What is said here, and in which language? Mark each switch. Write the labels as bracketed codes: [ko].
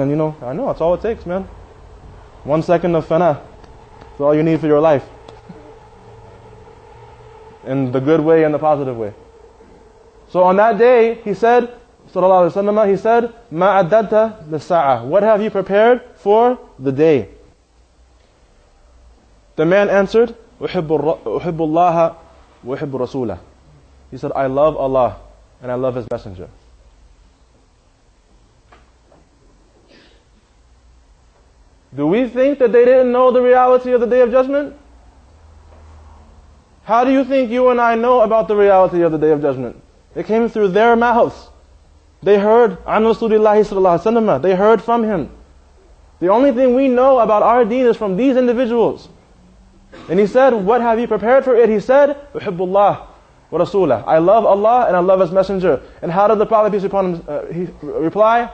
[en] And you know, I know. That's all it takes, man. 1 second of fana. It's all you need for your life. In the good way and the positive way. So on that day, he said, Sallallahu Alaihi Wasallam, he said, [ar] مَا عَدَّدْتَ لِلسَّاعَةِ. [en] What have you prepared for the day? The man answered, [ar] أُحِبُّ اللَّهَ وَأُحِبُّ رَسُولَهُ. [en] He said, I love Allah and I love His Messenger. Do we think that they didn't know the reality of the Day of Judgment? How do you think you and I know about the reality of the Day of Judgment? It came through their mouths. They heard [ar] عن رسول الله صلى الله عليه وسلم. [en] They heard from him. The only thing we know about our deen is from these individuals. And he said, what have you prepared for it? He said, [ar] أحب الله ورسوله. [en] I love Allah and I love His Messenger. And how did the Prophet peace upon him reply?